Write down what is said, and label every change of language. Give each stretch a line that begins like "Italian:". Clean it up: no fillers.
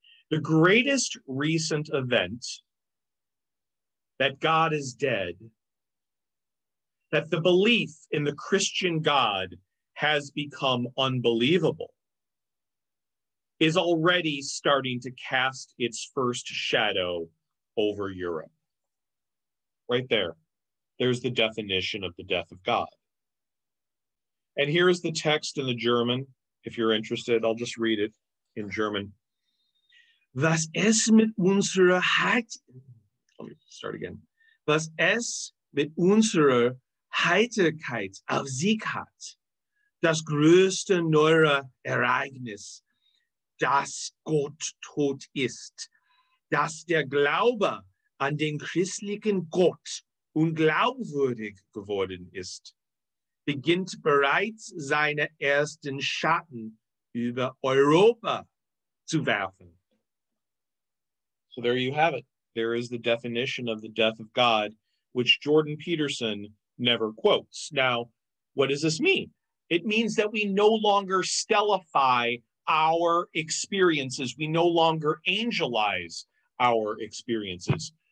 English: The greatest recent event that God is dead, that the belief in the Christian God has become unbelievable, is already starting to cast its first shadow over Europe. Right there, there's the definition of the death of God. And here is the text in the German. If you're interested, I'll just read it in German.
German: Was es mit unserer Heiterkeit,
English: let me start again.
German: Was es mit unserer Heiterkeit auf sich hat, das größte neue Ereignis, dass Gott tot ist, dass der Glaube an den christlichen Gott unglaubwürdig geworden ist, beginnt bereits seine ersten Schatten über Europa zu werfen.
English: So there you have it. There is the definition of the death of God, which Jordan Peterson never quotes. Now, what does this mean? It means that we no longer stellify our experiences. We no longer angelize our experiences.